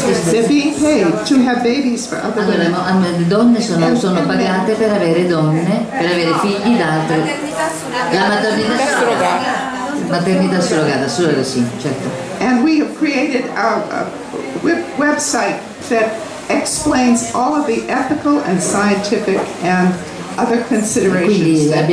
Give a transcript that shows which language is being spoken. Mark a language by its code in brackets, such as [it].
[en] They're being paid to have babies for other women. [it] Allora, le donne sono pagate per avere donne, per avere figli da altre. La maternità surrogata. Maternità surrogata, surrogata, sì, certo. [en] And we have created a website that explains all of the ethical and scientific and other considerations